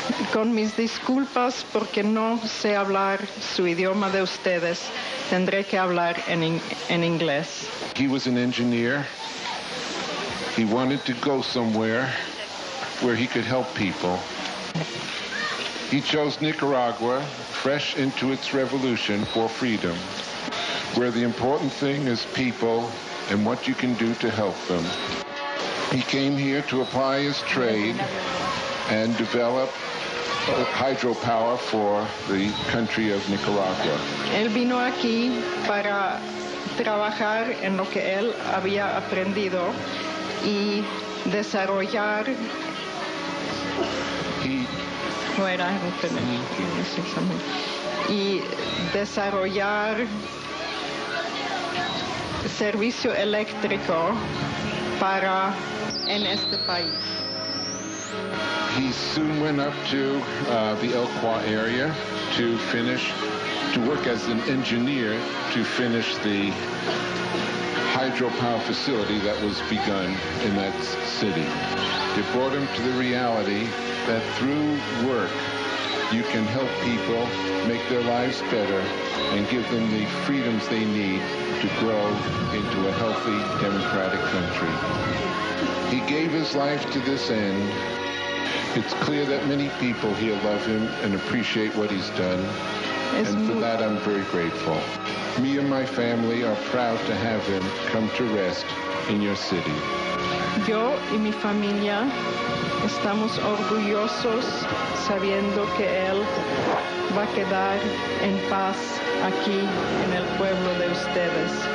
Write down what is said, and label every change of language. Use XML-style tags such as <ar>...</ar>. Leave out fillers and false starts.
<es>Con mis disculpas porque no sé hablar su idioma de ustedes, tendré que hablar en inglés.</es> <en>He was an engineer. He wanted to go somewhere where he could help people. He chose Nicaragua, fresh into its revolution for freedom, where the important thing is people and what you can do to help them. He came here to apply his trade and develop hydropower for the country of Nicaragua.</en> <es>Él vino aquí para trabajar en lo que él había aprendido y desarrollar. Y desarrollar servicio eléctrico para en este país.</es> <en>He soon went up to the El Cua area to finish, to work as an engineer to finish the hydropower facility that was begun in that city. It brought him to the reality that through work, you can help people make their lives better and give them the freedoms they need to grow into a healthy, democratic country. He gave his life to this end. It's clear that many people here love him and appreciate what he's done. And for that, I'm very grateful. Me and my family are proud to have him come to rest in your city.</en> <es>Yo y mi familia estamos orgullosos sabiendo que él va a quedar en paz aquí en el pueblo de ustedes.</es>